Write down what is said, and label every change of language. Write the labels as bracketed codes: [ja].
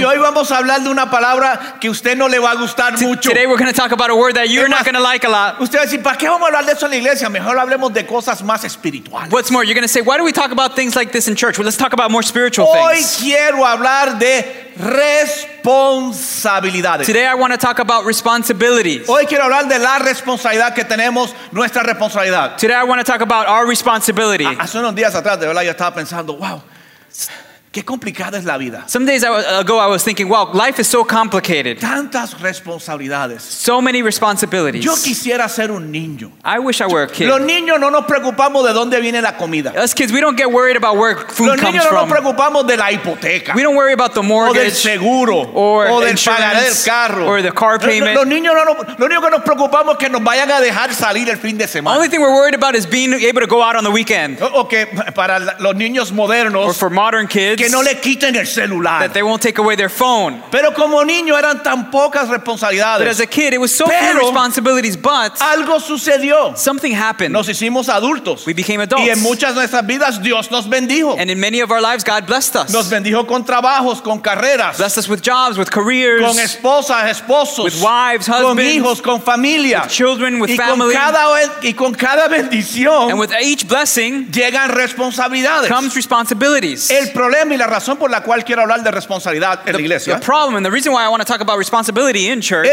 [es] Y hoy vamos a hablar de una palabra que usted no le va a gustar mucho. [en] Today we're going to talk about a word that you're not going to like a lot. [es] Usted va a decir, ¿para qué vamos a hablar de eso en la iglesia? Mejor hablemos de cosas más espirituales. [en] What's more, you're going to say, why do we talk about things like this in church? Well, let's talk about more spiritual [es] hoy [en] things. [es] Hoy quiero hablar de responsabilidades. [en] Today I want to talk about responsibilities. [es] Hoy quiero hablar de la responsabilidad que tenemos, nuestra responsabilidad. [en] Today I want to talk about our responsibility. [es] Hace unos días atrás, de verdad, yo estaba pensando, wow, qué complicada es la vida. [en] Some days ago I was thinking, wow, life is so complicated. [es] Tantas responsabilidades. [en] So many responsibilities. [es] Yo quisiera ser un niño. [en] I wish I were a kid. [es] Los niños no nos preocupamos de dónde viene la comida. [en] Us kids, we don't get worried about where food comes from. [es] Los niños no nos preocupamos de la hipoteca. [en] We don't worry about the mortgage. [es] O del seguro. [en] Or [es] o del pagar el carro. [en] Or the car payment. [es] Los niños no, lo único que nos preocupamos es que nos vayan a dejar salir el fin de semana. [en] The only thing we're worried about is being able to go out on the weekend. [es] Okay, para los niños modernos. [en] Or for modern kids. [es] Que no le quiten el celular. [en] That they won't take away their phone. [es] Pero como niño eran tan pocas responsabilidades. [en] But as a kid, it was so few responsibilities. But [es] algo sucedió. [en] Something happened. [es] Nos hicimos adultos. [en] We became adults. [es] Y en muchas de nuestras vidas Dios nos bendijo. [en] And in many of our lives, God blessed us. [es] Nos bendijo con trabajos, con carreras. [en] Blessed us with jobs, with careers. [es] Con esposas, esposos. [en] With wives, husbands. [es] Con hijos, con familia. [en] With children, with [es] y [en] family. [es] Y con cada bendición. [en] And with each blessing, [es] llegan responsabilidades. [en] Comes responsibilities. [es] El problema y la razón por la cual quiero hablar de responsabilidad en la iglesia. [en] The problem and the reason why I want to talk about responsibility in church